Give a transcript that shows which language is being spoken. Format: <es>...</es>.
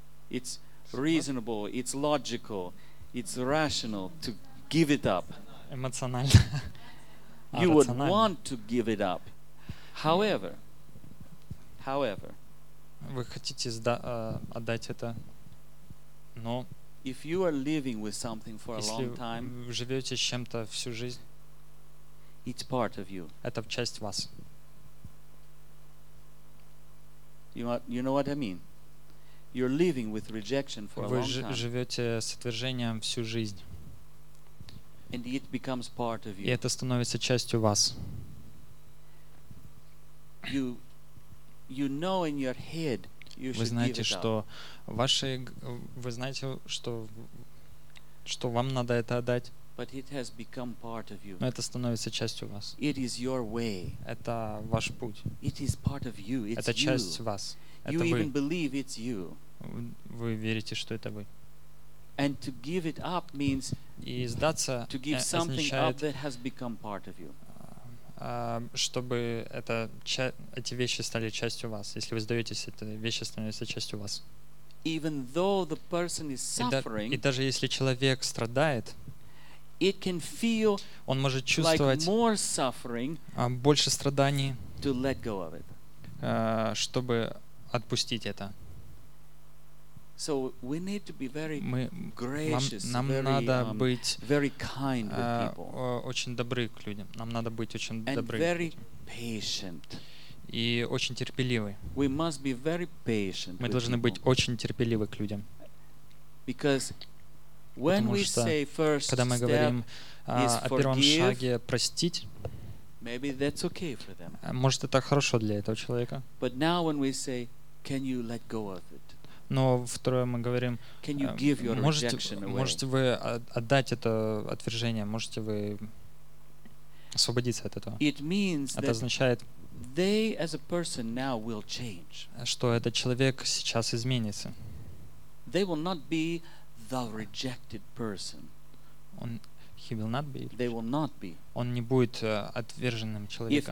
<en>It's reasonable, it's logical, it's rational to give it up.</en> <ru>Эмоционально.</ru> <en>You would want to give it up. However,</en> <ru>вы хотите отдать это, но</ru> <en>if you are living with something for a long time,</en> <ru>если вы живете с чем-то всю жизнь,</ru> <en>it's part of you.</en> <ru>Это часть вас.</ru> <en>You know what I mean? You're living with rejection for a long time.</en> <ru>Вы живете с отвержением всю жизнь.</ru> <en>And it becomes part of you.</en> <ru>И это становится частью вас.</ru> <en>You know in your head you should give it up.</en> <ru>Вы знаете, что вам надо это отдать.</ru> <en>But it has become part of you.</en> <ru>Но это становится частью вас.</ru> <en>It is your way.</en> <ru>Это ваш путь.</ru> <en>It is part of you. It's</en> <ru>это часть</ru> <en>you.</en> <ru>Вас.</ru> <en>You</en> <ru>это</ru> <en>even</en> <ru>вы.</ru> <en>Believe it's you.</en> <ru>Вы верите, что это вы.</ru> <en>And to give it up means to give something up that has become part of you.</en> <ru>Чтобы это, эти вещи стали частью вас. Если вы сдаетесь, эти вещи становятся частью вас.</ru> <en>Even though the person is suffering,</en> <ru>и даже если человек страдает,</ru> <en>it can feel</en> <ru>он может чувствовать</ru> <en>like more suffering,</en> <ru>больше страданий,</ru> <en>to let go of it.</en> <ru>Чтобы отпустить это.</ru> <en>So we need to be very мы, gracious,</en> <ru>нам</ru> <en>very,</en> <ru>надо</ru> <en>very kind with people.</en> <ru>Очень добры к людям. Нам надо быть очень</ru> <en>and</en> <ru>добры.</ru> <en>Very patient.</en> <ru>И очень терпеливы.</ru> <en>We must be very patient</en> <ru>мы должны</ru> <en>people.</en> <ru>Быть очень терпеливы к людям.</ru> <en>Because when we say first step is forgive,</en> <ru>о первом шаге простить,</ru> <en>maybe that's okay for them.</en> <ru>Может это хорошо для этого человека.</ru> <en>But now when we say, can you let go of it?</en> <ru>Но второе мы говорим,</ru> <en>can you give your rejection away?</en> <ru>Можете вы отдать это отвержение? Можете вы освободиться от этого?</ru> <en>It means</en> <ru>это означает,</ru> <en>they as a person now will change.</en> <ru>Что этот человек сейчас изменится?</ru> <en>They will not be the rejected person. Он, he will not be. They will not be.</en> <ru>Он не будет отверженным человеком.</ru>